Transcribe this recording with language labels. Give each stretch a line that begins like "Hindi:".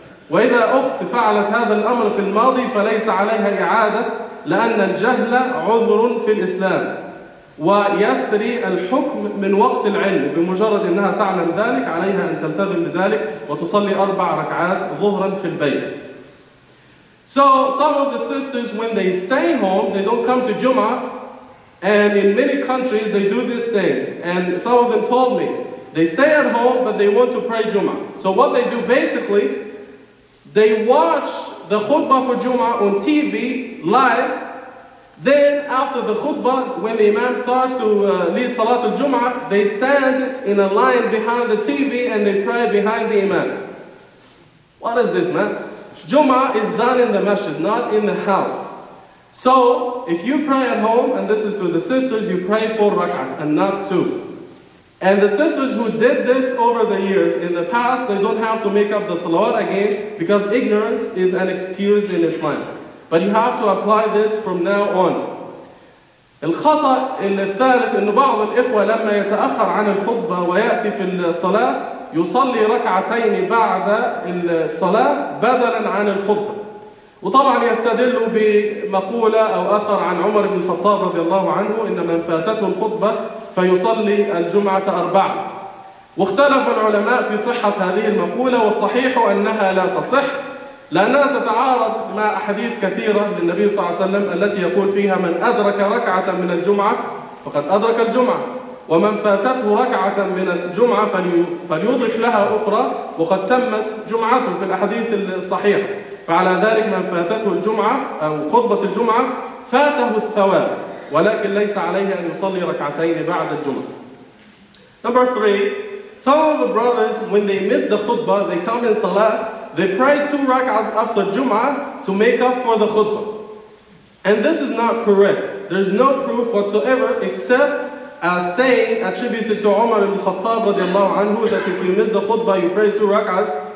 Arabic: وإذا أخت فعلت هذا الأمر في الماضي فليس عليها إعادة لأن الجهل عذر في الإسلام ويسري الحكم من وقت العلم بمجرد أنها تعلم ذلك عليها أن تلتزم بذلك وتصلي 4 ركعات ظهرا في البيت
English: So some of the sisters when they stay home they don't come to Jum'ah and in many countries they do this thing and some of them told me They stay at home, but they want to pray Jum'ah. So what they do basically, they watch the khutbah for Jum'ah on TV live. Then after the khutbah, when the imam starts to lead Salatul Jum'ah, they stand in a line behind the TV and they pray behind the imam. What is this, man? Jum'ah is done in the masjid, not in the house. So if you pray at home, and this is to the sisters, you pray 4 rak'ahs and not 2. And the sisters who did this over the years, in the past, they don't have to make up the salawat again because ignorance is an excuse in Islam. But you have to apply this from now on.
Arabic: الخطأ الثالث إن بعض الإخوة لما يتأخر عن الخطبة ويأتي في الصلاة يصلي ركعتين بعد الصلاة بدلا عن الخطبة. وطبعا يستدل بمقولة أو أثر عن عمر بن الخطاب رضي الله عنه إن من فاتته الخطبة فيصلي الجمعة أربعة. واختلف العلماء في صحة هذه المقولة، والصحيح أنها لا تصح لأنها تتعارض مع أحاديث كثيرة للنبي صلى الله عليه وسلم التي يقول فيها من أدرك ركعة من الجمعة فقد أدرك الجمعة، ومن فاتته ركعة من الجمعة فليضف لها أخرى وقد تمت جمعته، في الأحاديث الصحيحة. فعلى ذلك من فاتته الجمعة أو خطبة الجمعة فاته الثواب، ولكن ليس عليه أن يصلي ركعتين بعد الجمعة.
English: Number three, some of the brothers, when they miss the khutbah, they come in salah, they pray two rak'ahs after Jum'ah to make up for the khutbah. And this is not correct. There's no proof whatsoever except a saying attributed to Umar ibn Khattab radiallahu anhu that if you miss the khutbah, you pray two rak'ahs.